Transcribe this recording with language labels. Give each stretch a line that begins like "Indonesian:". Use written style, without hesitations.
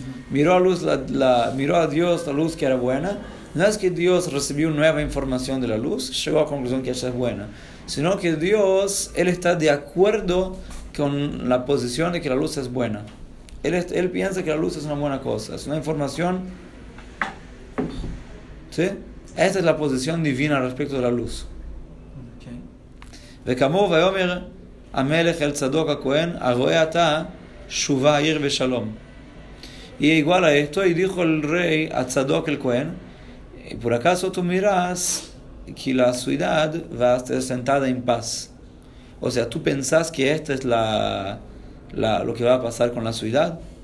Spanish: Miró a luz miró a Dios la luz que era buena. No es que Dios recibió nueva información de la luz, llegó a la conclusión que ella es buena, sino que Dios, él está de acuerdo con la posición de que la luz es buena. Él piensa que la luz es una buena cosa, es una información. ¿Sí? Esa es la posición divina respecto de la luz.
Hebrew: וכמו ויאמר המלך אל צדוק הכהן, הרואה אתה שובה עיר ושלום.
Spanish: Y igual a esto, y dijo el rey a Tzadok el Cohen, ¿y por acaso tú miras que la ciudad va a estar sentada en paz? O sea, ¿tú pensás que esto es lo que va a pasar con la ciudad?